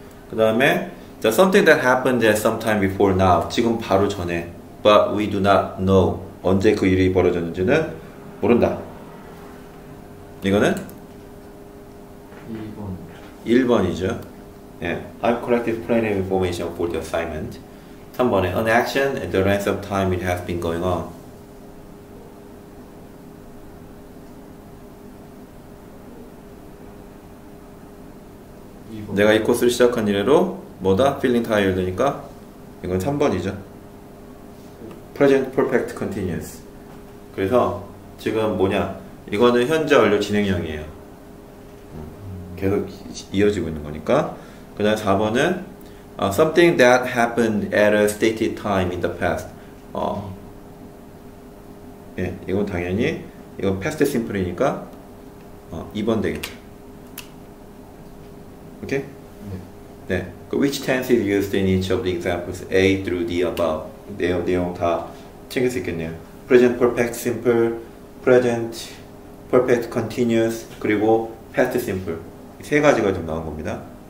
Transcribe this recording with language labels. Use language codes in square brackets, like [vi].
[ko] 그 다음에, [en] something that happened sometime before now. [ko] 지금 바로 전에. [en] But we do not know. [ko] 언제 그 일이 벌어졌는지는 모른다. 이거는? 1번. 1번이죠? 예. Yeah. [en] I've collected plenty of information for the assignment. [ko] 3번에 [en] an action and the length of time it has been going on. [ko] 내가 이 코스를 시작한 이래로 뭐다? [en] Feeling tired니까 [ko] 이건 3번이죠. [en] Present perfect continuous. [ko] 그래서 지금 뭐냐? 이거는 현재 완료 진행형이에요. 계속 이어지고 있는 거니까. 그다음 4번은 [en] something that happened at a stated time in the past. [ko] 예, 이건 당연히 이건 past simple이니까 2번 되겠죠. 오케이? 네. 네. [en] Which tense is used in each of the examples A through D above? [ko] 내용 다 챙길 수 있겠네요. [en] Present perfect simple, present perfect continuous, 그리고 past simple. [ko] 세 가지가 좀 나온 겁니다.